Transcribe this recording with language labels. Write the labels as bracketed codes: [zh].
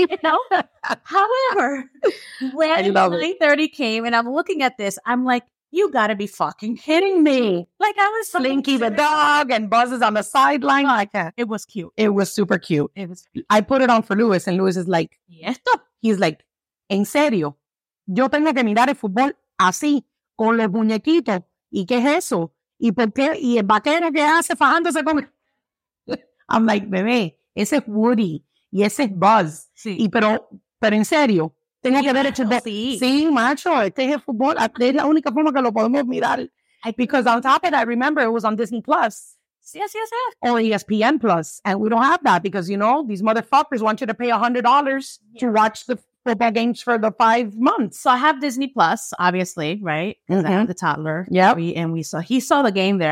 [en] You know? However, when 9:30 came and I'm looking at this, I'm like, you got to be fucking kidding me. Like, I was Slinky the dog and Buzz is on the sideline. Like, it was cute. It was super cute. It was. I put it on for Lewis and Lewis is like, [es] ¿Esto? He's like, en serio, yo tengo que mirar el fútbol así, con los muñequitos. ¿Y qué es eso? ¿Y por qué? ¿Y el vaquero que hace fajándose con él? I'm like, bebé, ese es Woody y ese es Buzz. Sí. Y pero en serio, tenía que ver hecho de... Sí. Sí, macho, este es el fútbol. Es la única forma que lo podemos mirar. [en] Because on top of that, I remember it was on Disney Plus. [es] Sí, sí, sí. [en] Or ESPN Plus. And we don't have that because, you know, these motherfuckers want you to pay $100 to watch the football games for the 5 months. So I have Disney Plus, obviously, right? Mm-hmm. I have the toddler. Yeah. He saw the game there.